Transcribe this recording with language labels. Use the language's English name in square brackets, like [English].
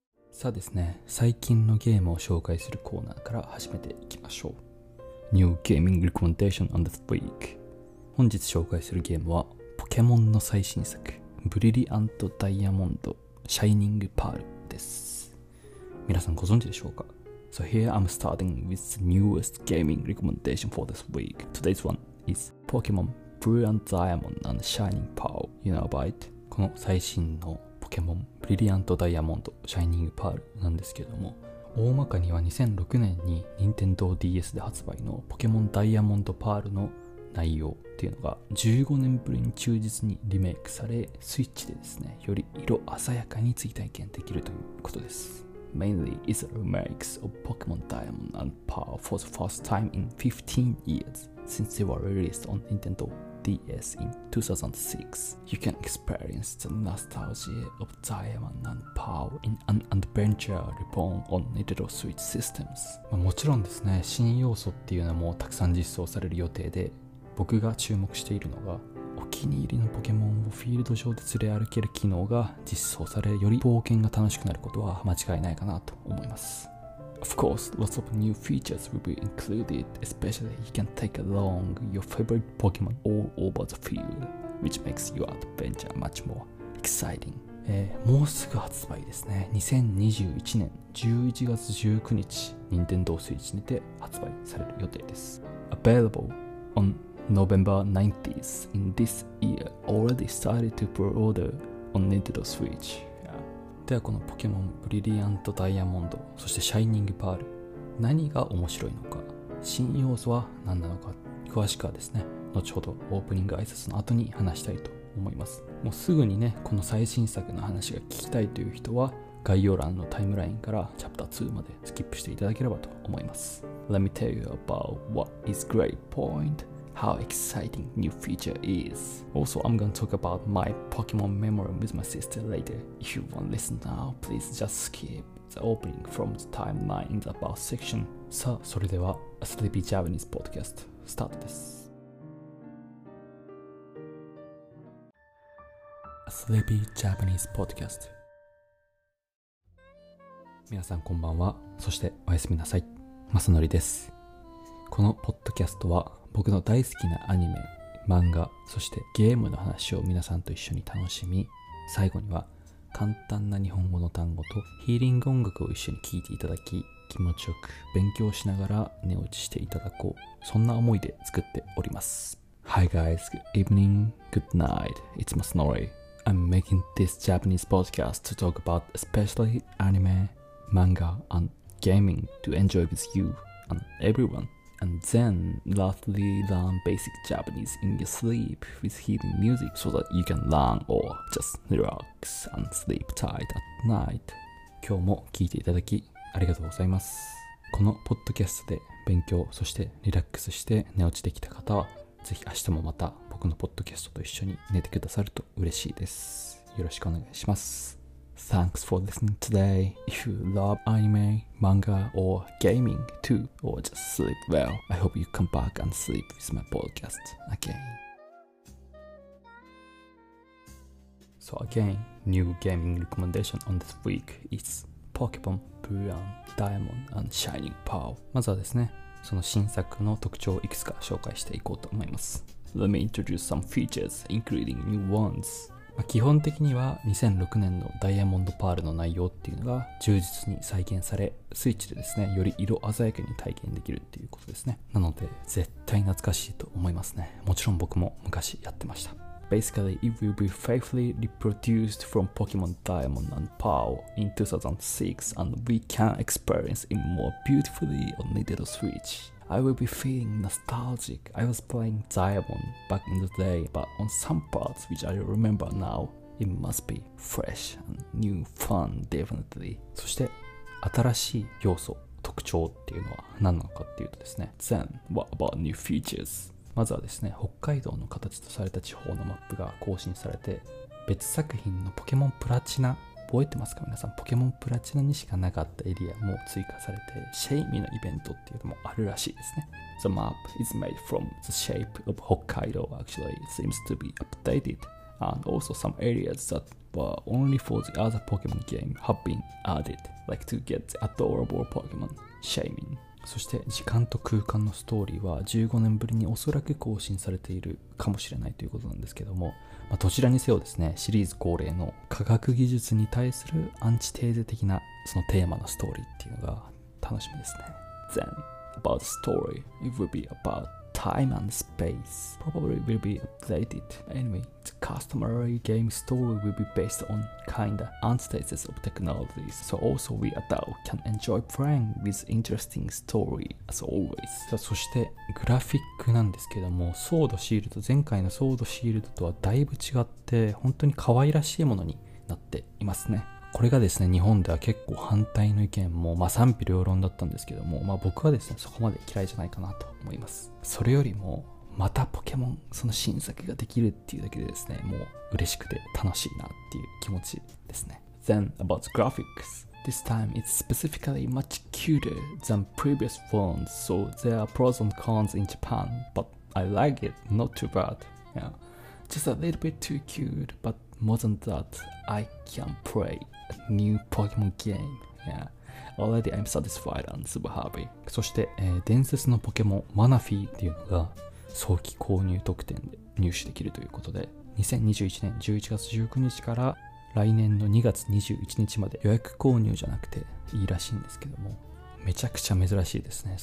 [Japanese] さあですね、最近のゲームを紹介するコーナーから始めていきましょう。 [English] New Gaming Recommendation on the Week。 [Japanese] 本日紹介するゲームはポケモンの最新作ブリリアントダイヤモンドシャイニングパールです。皆さんご存知でしょうか。 [English] So here I'm starting with the newest gaming recommendation for this week. Today's one is Pokemon Brilliant Diamond and Shining Pearl. You know about it? [Japanese] この最新のポケモン Brilliant Diamond Shining Pearl なんですけども、大まかには2006年に Nintendo DS で発売のポケモンダイヤモンドパールの内容っていうのが15年ぶりに忠実にリメイクされ、スイッチでですね、より色鮮やかに追体験できるということです。 [English] Mainly is a remake of Pokemon Diamond and Pearl for the first time in 15 years since they were released on Nintendo DS in 2006. You can experience the nostalgia of Diamond and Pearl in an adventure reborn on Nintendo Switch systems. [Japanese] まあ、もちろんですね、新要素っていうのもたくさん実装される予定で、僕が注目しているのがお気に入りのポケモンをフィールド上で連れ歩ける機能が実装され、より冒険が楽しくなることは間違いないかなと思います。 [English] Of course, lots of new features will be included, especially you can take along your favorite Pokemon all over the field, which makes your adventure much more exciting. [Japanese] もうすぐ発売ですね。2021年11月19日、Nintendo Switch にて発売される予定です。 [English] Available on November 90th in this year already started to pre-order on Nintendo Switch. [Japanese] ではこのポケモンブリリアントダイヤモンド、そしてシャイニングパール、何が面白いのか、新要素は何なのか、詳しくはですね、後ほどオープニング挨拶の後に話したいと思います。もうすぐにね、この最新作の話が聞きたいという人は概要欄のタイムラインからチャプター2までスキップしていただければと思います。 [English] Let me tell you about what is great point. How exciting new feature is. Also, I'm going to talk about my Pokemon memory with my sister later. If you want to listen now, please just skip the opening from the timeline in the about section. [Japanese] さあ、それでは、A Sleepy Japanese Podcast, スタートです。 [English] A Sleepy Japanese Podcast。 [Japanese] 皆さんこんばんは。そしておやすみなさい。まさのりです。このポッドキャストは、僕の大好きなアニメ、漫画、そしてゲームの話を皆さんと一緒に楽しみ、最後には簡単な日本語の単語とヒーリング音楽を一緒に聴いていただき、気持ちよく勉強しながら寝落ちしていただこう、そんな思いで作っております。 [English] Hi guys, good evening, good night, it's Masanori. I'm making this Japanese podcast to talk about especially anime, manga and gaming to enjoy with you and everyoneAnd then, lastly, learn basic Japanese in your sleep with healing music so that you can learn or just relax and sleep tight at night. [Japanese] 今日も聞いていただきありがとうございます。このポッドキャストで勉強、そしてリラックスして寝落ちできた方は、ぜひ明日もまた僕のポッドキャストと一緒に寝てくださると嬉しいです。よろしくお願いします。 [English] Thanks for listening today. If you love anime, manga, or gaming too, or just sleep well, I hope you come back and sleep with my podcast again. So again, new gaming recommendation on this week is Pokemon Brilliant Diamond and Shining Pearl. [Japanese] まずはですね、その新作の特徴をいくつか紹介していこうと思います。 [English] Let me introduce some features, including new ones. [Japanese] 基本的には2006年のダイヤモンドパールの内容っていうのが忠実に再現され、スイッチでですね、より色鮮やかに体験できるっていうことですね。なので絶対懐かしいと思いますね。もちろん僕も昔やってました。 [English] Basically, it will be faithfully reproduced from Pokemon Diamond and Pearl in 2006 and we can experience it more beautifully on Nintendo Switch. I will be feeling nostalgic. I was playing Diamond back in the day, but on some parts which I remember now, it must be fresh and new fun, definitely. [Japanese] そして新しい要素、特徴っていうのは何なのかっていうとですね。 [English] Then, what about new features? [Japanese] まずはですね、北海道の形とされた地方のマップが更新されて、別作品のポケモンプラチナ、覚えてますか皆さん、ポケモンプラチナにしかなかったエリアも追加されて、シェイミーのイベントっていうのもあるらしいですね。 [English] The map is made from the shape of Hokkaido actually. It seems to be updated. and also some areas that were only for the other Pokemon game have been added, like to get the adorable Pokemon shaming. [Japanese] そして時間と空間のストーリーは15年ぶりにおそらく更新されているかもしれないということなんですけども、まあ、どちらにせよですね、シリーズ恒例の科学技術に対するアンチテーゼ的なそのテーマのストーリーっていうのが楽しみですね。 [English] Then, about the story, it will be aboutTime and space probably will be updated. Anyway, the customary game story will be based on kinda antithesis of technologies. So also we adult can enjoy playing with interesting story as always. [Japanese] そしてグラフィックなんですけども、ソードシールド、前回のソードシールドとはだいぶ違って、本当に可愛らしいものになっていますね。これがですね、日本では結構反対の意見も、まあ、賛否両論だったんですけども、まあ、僕はですね、そこまで嫌いじゃないかなと思います。それよりも、またポケモン、その新作ができるっていうだけでですね、もう嬉しくて楽しいなっていう気持ちですね。 [English] Then, about the graphics. This time, it's specifically much cuter than previous phones, so there are pros and cons in Japan, but I like it, not too bad. Yeah, just a little bit too cute, butMore than that, I can play a new Pokemon game. Yeah. Already I'm satisfied and super happy. [Japanese] そして、伝説のポケモンマナフィーっていうのが早期購入特典で入手できるということで、2021年11月19日から来年の2月21日まで予約購入じゃなくていいらしいんですけども、めちゃくちゃ珍しいですね。